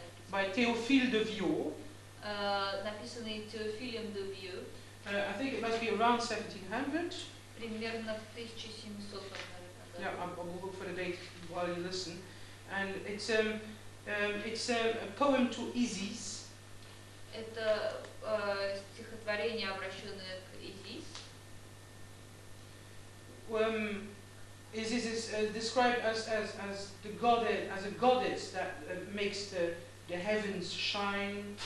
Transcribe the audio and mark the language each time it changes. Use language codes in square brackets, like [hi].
[en] By Théophile de Vieux. [ru] Написанный Théophile de Vieux. [en] I think it must be around 1700. [ru] Примерно в 1700, наверное. [en] Yeah, I'll look for the date while you listen. And it's a poem to Isis. [ru] Это стихотворение, обращенное к Изис. [en] Isis is described as the goddess, as a goddess that makes the heavens shine.